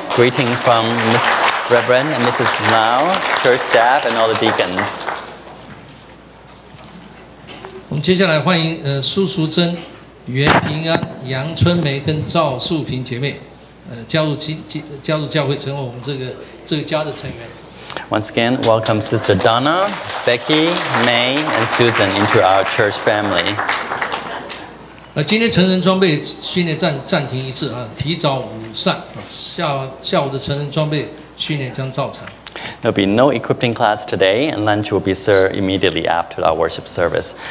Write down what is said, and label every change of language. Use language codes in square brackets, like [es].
[en] Greetings from Ms. Reverend and Mrs. Mao, church staff, and all the deacons. [zh] 我们接下来欢迎苏淑珍、袁平安、杨春梅跟赵素萍姐妹。加入教会，成为我们这个家的成员。 [en] Once again, welcome Sister Donna, Becky, May, and Susan into our church family. [zh] 今天成人装备训练暂停一次啊，提早午膳啊，下午的成人装备训练将照常。 [en] There'll be no equipping class today, and lunch will be served immediately after our worship service.